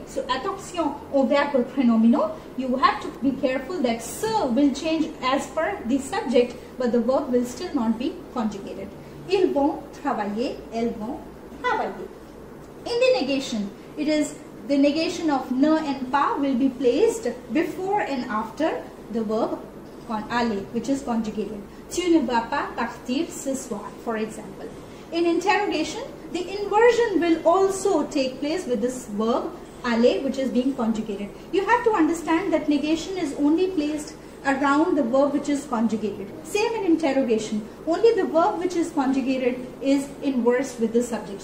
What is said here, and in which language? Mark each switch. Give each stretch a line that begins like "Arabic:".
English: So
French: attention au verbe prénominal.
English: You have to be careful that se will change as per the subject but the verb will still not be conjugated.
French: Ils vont travailler, elles vont travailler.
English: In the negation, it is the negation of ne and pas will be placed before and after the verb aller, which is conjugated.
French: Tu ne vas pas partir ce soir,
English: for example. In interrogation, the inversion will also take place with this verb aller, which is being conjugated. You have to understand that negation is only placed around the verb which is conjugated. Same in interrogation, only the verb which is conjugated is inverse with the subject.